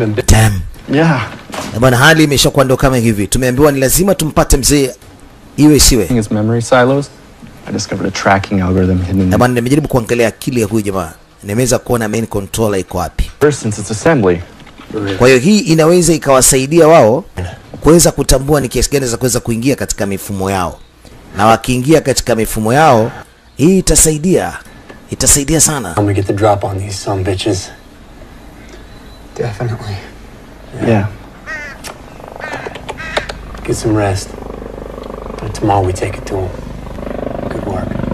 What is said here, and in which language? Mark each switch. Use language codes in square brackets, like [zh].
[en] Damn. Yeah. [sw] Na bwana, hali imeshakuwa ndo kama hivi. Tumeambiwa ni lazima tumpate mzee iwe siwe. [en] His memory silos. I discovered a tracking algorithm hidden. [sw] Na bwana, nimejaribu kuangalia akili ya huyu jamaa. Nimeweza kuona main controller iko wapi. [en] First since it's assembly. [sw] Kwa hiyo hii inaweza ikawasaidia wao. kuweza kutambua ni kiasi gani za kuweza kuingia katika mifumo yao. Na wakiingia katika mifumo yao, hii itasaidia. Itasaidia sana. [en] I'm gonna get the drop on these some bitches. Definitely. Yeah. Get some rest. And tomorrow we take it to them. Good work.